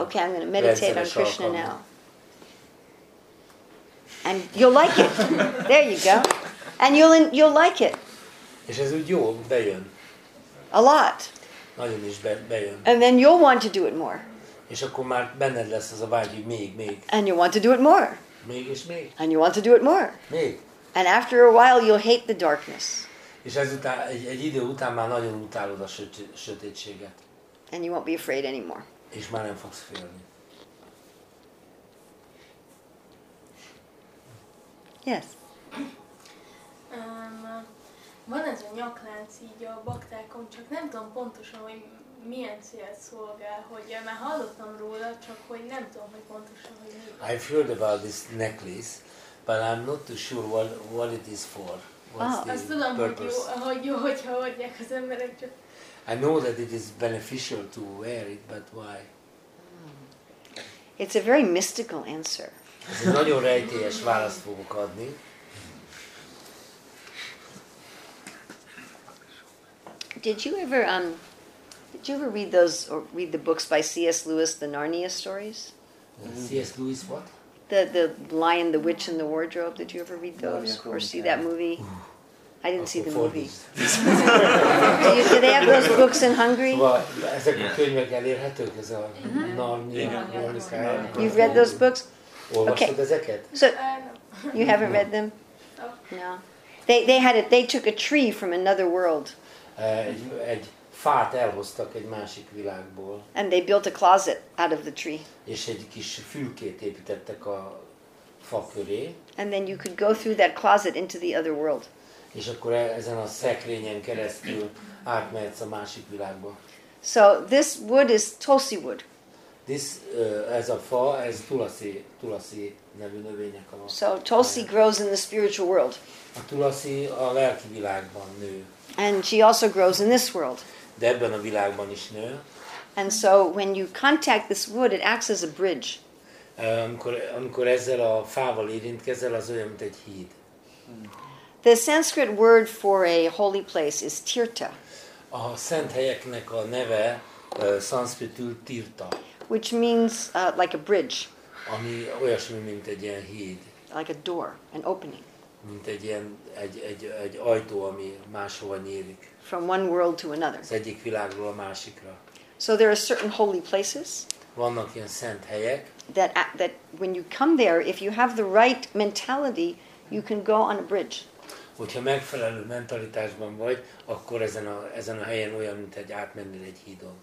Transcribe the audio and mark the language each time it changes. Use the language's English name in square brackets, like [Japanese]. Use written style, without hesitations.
[English] Okay, I'm going to meditate on Krishna now. And you'll like it. There you go. And you'll like it. [Hungarian] És ez úgy jól bejön. [English] A lot. [Hungarian] Nagyon is bejön. [English] And then you'll want to do it more. [Hungarian] És akkor már benned lesz az a vágy, hogy még. [English] And you want to do it more. [Hungarian] Még és még. [English] And you want to do it more. [Hungarian] Még. [English] And after a while you'll hate the darkness. [Hungarian] És ezután egy idő után már nagyon utálod a sötétséget. [English] And you won't be afraid anymore. [Hungarian] És már nem fogsz félni. [English] Yes. [Hungarian] Van ez a nyaklánc így a baktákon, csak nem tudom pontosan, hogy milyen célt szolgál, hogy már hallottam róla, csak hogy nem tudom, hogy pontosan, hogy [English] mi. I've heard about this necklace, but I'm not too sure what it is for. [Hungarian] Azt tudom, hogyha adják az emberek, csak... [English] I know that it is beneficial to wear it, but why? It's a very mystical answer. [Hungarian] Ez egy nagyon rejtélyes választ fogok adni. [English] Did you ever read those or read the books by C.S. Lewis, the Narnia stories? C.S. Lewis what? The Lion, the Witch and the Wardrobe. Did you ever read those or see that movie? I didn't see the movie. Do they have those books in Hungary? [Hungarian] Ezek a könyvek elérhetők, ez a Narnia. [English] You've read those books? Okay. Ezeket? So you haven't read them? No. They took a tree from another world. [Hungarian] Egy fát elhoztak egy másik világból. [English] And they built a closet out of the tree. [Hungarian] És egy kis fülkét építettek a fa köré. [English] And then you could go through that closet into the other world. [Hungarian] És akkor ezen a szekrényen keresztül átmehetsz a másik világba. [English] So this wood is tulsi wood. [Hungarian] Ez a fa tulasi nevű növények a. [English] So tulsi grows in the spiritual world. [Hungarian] A tulasi a lelki világban nő. [English] And she also grows in this world. [Hungarian] De ebben a világban is nő. [English] And so when you contact this wood, it acts as a bridge. [Hungarian] Amikor ezzel a fával érintkezel, az olyan, mint egy híd. [English] The Sanskrit word for a holy place is tirtha. [Hungarian] A szent helyeknek a neve szanszkritul tirtha. [English] Which means like a bridge. [Hungarian] Ami olyasmi, mint egy ilyen híd. [English] Like a door, an opening. [Hungarian] Mint egy ilyen egy ajtó, ami máshova nyílik. [English] From one world to another. [Hungarian] Az egyik világról a másikra. [English] So there are certain holy places. [Hungarian] Vannak ilyen szent helyek. [English] That when you come there, if you have the right mentality, you can go on a bridge. [Hungarian] Hogyha megfelelő mentalitásban vagy, akkor ezen a helyen olyan, mint egy átmenni egy hídon.